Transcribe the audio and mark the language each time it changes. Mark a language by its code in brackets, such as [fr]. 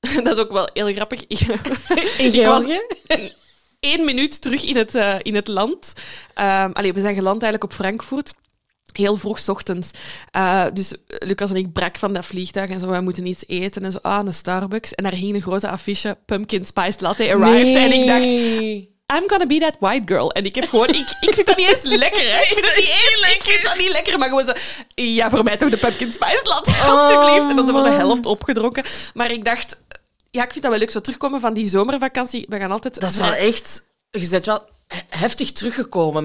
[nl] Dat is ook wel heel grappig. In België? Eén minuut terug in het land. We zijn geland eigenlijk op Frankfurt. Heel vroeg ochtends. Dus Lucas en ik brak van dat vliegtuig en zo. Wij moeten iets eten en zo. Ah, een Starbucks. En daar hing een grote affiche. [en] Pumpkin spiced latte arrived. [nl] Nee. En ik dacht... [en] I'm gonna be that white girl. [nl] En ik heb gewoon... Ik vind dat niet eens lekker, hè. Ik vind dat niet lekker. Maar gewoon zo... Ja, voor mij toch de pumpkin spice latte, alstublieft. En dan zo voor de helft opgedronken. Maar ik dacht... Ja, ik vind dat wel leuk. Zo terugkomen van die zomervakantie. We gaan altijd... Dat is wel echt... Je bent wel heftig teruggekomen.